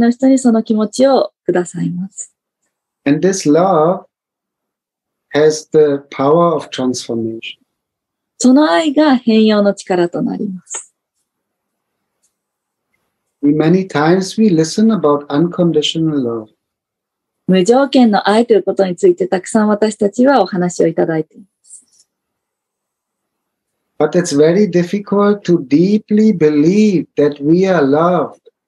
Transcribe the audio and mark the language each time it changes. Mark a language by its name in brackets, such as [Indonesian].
[Japanese] そしてグルデーブはすべての人にその気持ちをくださいます。 [English] And this love has the power of transformation. [Japanese] その愛が変容の力となります。 [English] Many times we listen about unconditional love. [Japanese] 無条件の愛ということについてたくさん私たちはお話をいただいています。 [English] But it's very difficult to deeply believe that we are loved.